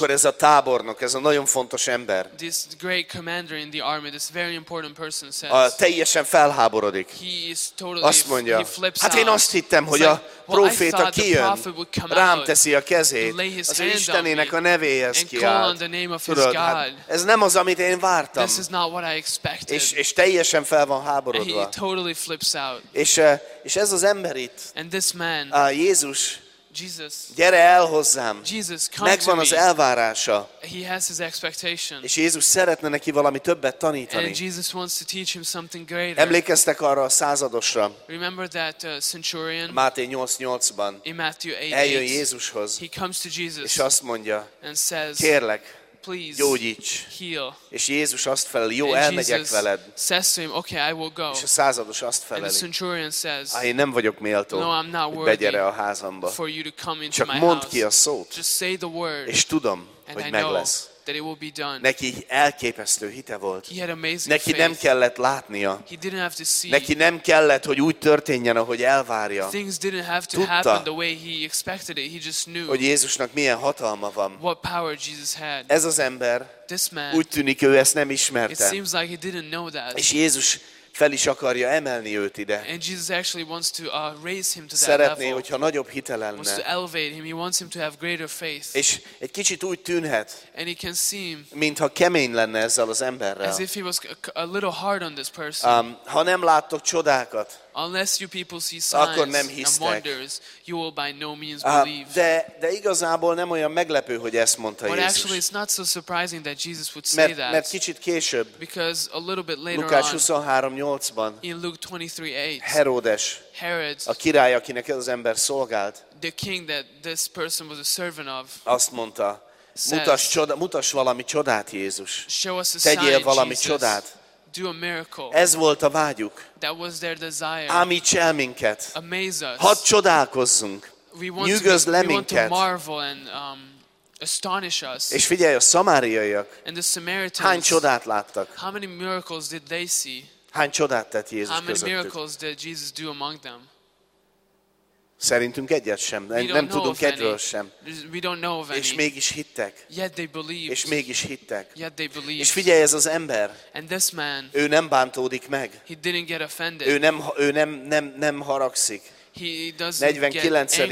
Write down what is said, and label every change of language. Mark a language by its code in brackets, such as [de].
[hu] Akkor ez a tábornok, ez a nagyon fontos ember. [en] This great commander in the army, this very important person says. [hu] Teljesen felháborodik. [en] He is totally. [hu] Azt mondja, [en] he flips [hu] hát én azt hittem, hogy a próféta kijön, rám teszi a kezét, az Istenének a nevéhez kiált. Ez nem az, amit én vártam. [en] This is not what I expected. [hu] És teljesen fel van háborodva. [en] He totally flips out. [hu] És ez az ember itt. [en] And this man. [hu] Jézus. [en] Jesus. [hu] Gyere el hozzám. [en] Jesus, [hu] megvan az elvárása. [en] He has his expectation. [hu] És Jézus szeretne neki valami többet tanítani. [en] And Jesus wants to teach him something greater. [hu] Emlékeztek arra a századosra. [en] Remember that centurion. [hu] Máté 8:8-ban. [en] In Matthew 8:8. [hu] Eljön Jézushoz. [en] He comes to Jesus. [hu] És azt mondja. [en] And says. [hu] Kérlek. [en] Please. [hu] Gyógyíts. [en] Heal. [hu] És Jézus azt felel, jó, elmegyek veled. [en] Says to him, okay, I will go. [hu] És a százados azt feleli. [en] And the centurion says, [hu] én nem vagyok méltó, [en] no, I'm not worthy, [hu] hogy begyere a házamba. [en] For you to come into [hu] csak [en] my [hu] mondd [en] house. [hu] Ki a szót. [en] Just say the word, [hu] és tudom, hogy [en] I [hu] meg lesz. [en] That it will be done. [hu] Neki elképesztő hite volt. [en] He had amazing [hu] neki [en] faith. [hu] Nem kellett látnia. [en] He didn't have to see. [hu] Neki nem kellett, hogy úgy történjen, ahogy elvárja. [en] Things didn't have to [hu] tudta, [en] happen the way he expected it. He just knew. [hu] Hogy Jézusnak milyen hatalma van. [en] What power Jesus had. [hu] Ez az ember. [en] This man. [hu] Úgy tűnik, ő ezt nem ismerte. [en] It seems like he didn't know that. [hu] És Jézus fel is akarja emelni őt ide. [en] And Jesus actually wants to raise him to that [hu] szeretné, [en] level. [hu] Hogyha nagyobb hite lenne. [en] Wants to elevate him. He wants him to have greater faith. [hu] És egy kicsit úgy tűnhet. [en] And he can seem. [hu] Mintha kemény lenne ezzel az emberrel. [en] As if he was a little hard on this person. [hu] Ha nem láttok csodákat. [en] Unless you people see signs and wonders, you will by no means believe. [hu] De igazából nem olyan meglepő, hogy ezt mondta Jézus. [en] But actually, it's not so surprising that Jesus would say that. [hu] Mert kicsit később. [en] Because a little bit later on. [hu] Lukács 23:8-ban. [en] In Luke 23:8. [hu] Herodes. [en] Herod. [hu] A király, akinek ez az ember szolgált. [en] The king that this person was a servant of. [hu] Azt mondta. Mutass valami csodát, Jézus. [en] Show us a sign, [hu] tegyél valami csodát. [en] Do a miracle. [hu] Ez volt a vágyuk. [en] That was their desire. [hu] Ámíts el minket. [en] Amaze us. [hu] Hadd csodálkozzunk. Nyűgözz le minket. [en] We want to marvel and astonish us. [hu] És figyelj, a szamáriaiak. [en] And the Samaritans. [hu] Hány csodát láttak? [en] How many miracles did they see? [hu] Hány csodát tett Jézus közöttük? [en] How many miracles did Jesus do among them? [hu] Szerintünk egyet sem, nem tudunk egyről sem. És mégis hittek. [en] Yet they believed. [hu] És mégis hittek. [en] Yet they believed. [hu] És figyelj, ez az ember. [en] And this man, [hu] ő nem bántódik meg. [en] He didn't get offended. [hu] Ő nem haragszik. [en] He doesn't 49.